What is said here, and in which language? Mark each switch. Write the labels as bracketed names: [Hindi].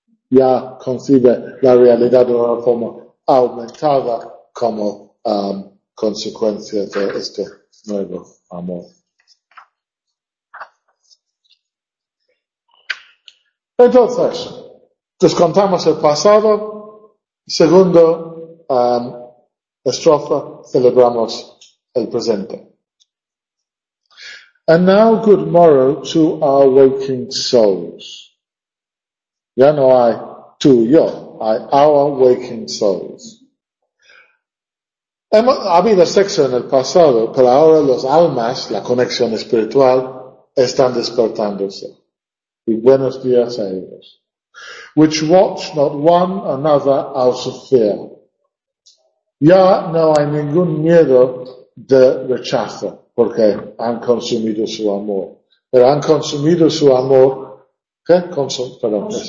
[Spanish] Ya concibe la realidad de una forma aumentada como consecuencia de este nuevo amor. Entonces, descontamos el pasado, segundo estrofa, celebramos el presente. [English] And now good morrow to our waking souls. [Spanish] Ya no hay tú y yo, hay [English] our waking souls. [Spanish] Ha habido sexo en el pasado, pero ahora los almas, la conexión espiritual, están despertándose. Y buenos días a ellos. [English] Which watch not one another out of fear. [Spanish] Ya no hay ningún miedo de rechazo, porque han consumido su amor. Pero han consumido su amor, ¿qué? Consumado.